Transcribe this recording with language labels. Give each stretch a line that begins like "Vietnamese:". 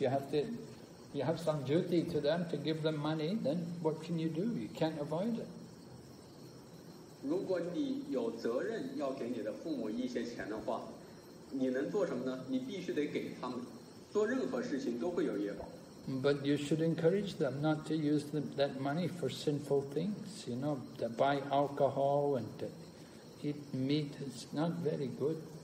English: You have some duty to them to give them money, then what can you do? You can't avoid it.
Chinese: 如果你有责任要给你的父母一些钱的话，你能做什么呢？你必须得给他们。
English: But you should encourage them not to use that money for sinful things, you know, to buy alcohol and to eat meat. It's not very good.